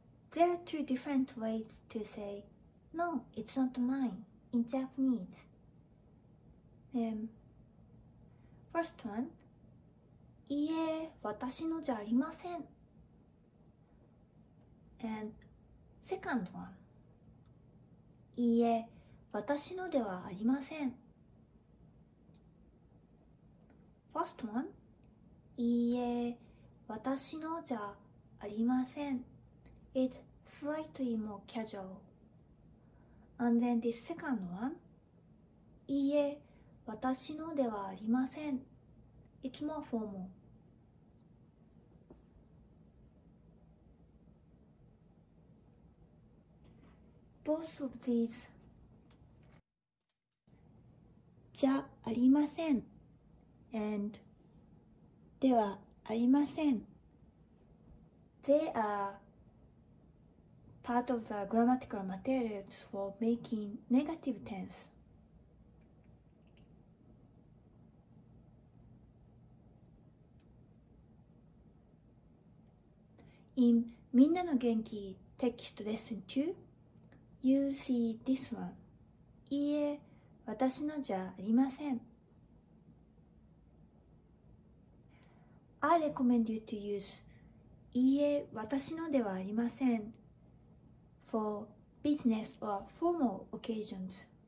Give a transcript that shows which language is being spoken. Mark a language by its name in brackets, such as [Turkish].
[English] There are two different ways to say No, it's not mine in Japanese. First one. [Japanese] いいえ、私のじゃありません。 [English] And second one. [Japanese] いいえ、私のではありません。 [English] First one. [Japanese] いいえ、私のじゃありません。 [English] It's slightly more casual. And then this second one. [Japanese] いいえ、私のではありません。 [English] It's more formal. Both of these. [Japanese] じゃありません [English] and [Japanese] ではありません [English] They are part of the grammatical materials for making negative tense. [Japanese] In みんなの元気テキストレッスン2 [English] You see this one. [Japanese] いいえ、私のじゃありません。 [English] I recommend you to use [Japanese] いいえ、私のではありません [English] for business or formal occasions.